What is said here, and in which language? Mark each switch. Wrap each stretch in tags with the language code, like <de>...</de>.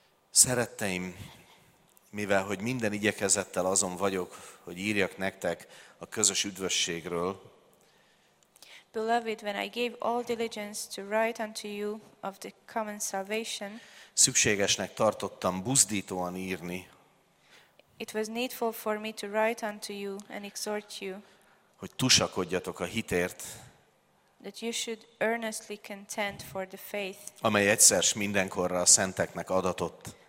<hu>Szeretteim, mivel hogy minden igyekezettel azon vagyok, hogy írjak nektek a közös üdvösségről.</hu> <en>Beloved, when I gave all diligence to write unto you of the common salvation,</en> <hu>szükségesnek tartottam buzdítóan írni.</hu> <en>It was needful for me to write unto you and exhort you,</en> <hu>hogy tusakodjatok a hitért,</hu> <en>that you should earnestly contend for the faith,</en> <hu>amely egyszer s mindenkorra a szenteknek adatott,</hu>